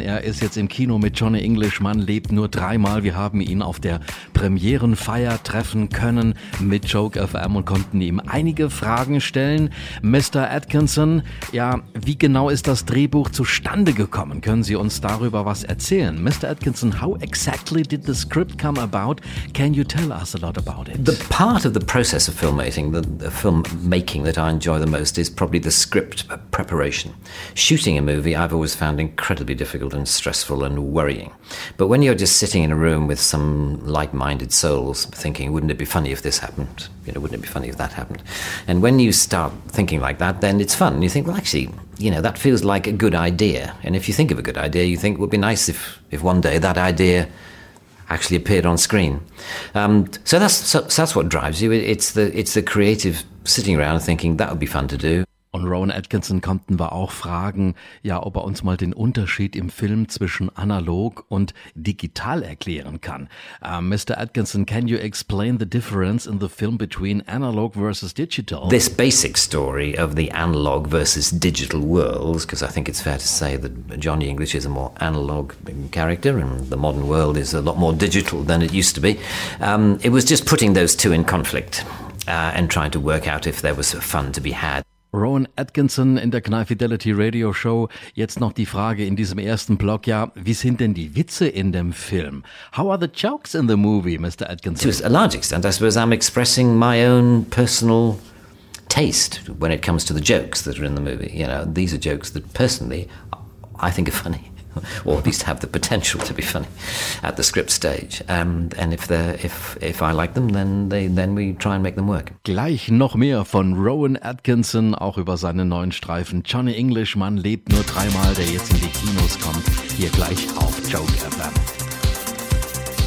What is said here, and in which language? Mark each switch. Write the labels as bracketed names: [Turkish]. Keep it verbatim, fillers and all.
[German] Er ist jetzt im Kino mit Johnny Englishman, lebt nur dreimal. Wir haben ihn auf der Premierenfeier treffen können mit Joke F M und konnten ihm einige Fragen stellen. Mister Atkinson, ja, wie genau ist das Drehbuch zustande gekommen? Können Sie uns darüber was erzählen? [English] Mister Atkinson, how exactly did the script come about? Can you tell us a lot about it? The part of the process of filmmaking, the, the filmmaking that I enjoy the most is probably the script preparation. Shooting a movie I've always found incredibly difficult and stressful and worrying. But when you're just sitting in a room with some like-minded souls thinking, wouldn't it be funny if this happened? You know, wouldn't it be funny if that happened? And when you start thinking like that, then it's fun. You think, well, actually, you know, that feels like a good idea. And if you think of a good idea, you think, well, it would be nice if, if one day that idea actually appeared on screen. Um, so that's so, so that's what drives you. It's the it's the creative sitting around thinking that would be fun to do. [German] Und Rowan Atkinson konnten wir auch fragen, ja, ob er uns mal den Unterschied im Film zwischen analog und digital erklären kann. [English] Uh, Mister Atkinson, can you explain the difference in the film between analog versus digital? This basic story of the analog versus digital worlds, because I think it's fair to say that Johnny English is a more analog character and the modern world is a lot more digital than it used to be. Um, it was just putting those two in conflict uh, and trying to work out if there was fun to be had. [German] Rowan Atkinson in der Kneifidelity Radio Show. Jetzt noch die Frage in diesem ersten Block, ja, wie sind denn die Witze in dem Film? [English] How are the jokes in the movie, Mister Atkinson? To a large extent, I suppose I'm expressing my own personal taste when it comes to the jokes that are in the movie. You know, these are jokes that personally I think are funny, or at least have the potential to be funny at the script stage. Um, and if they're, if if I like them, then they then we try and make them work. [German] Gleich noch mehr von Rowan Atkinson, auch über seinen neuen Streifen Johnny Englishman lebt nur dreimal, der jetzt in die Kinos kommt. Hier gleich auf Joke F M.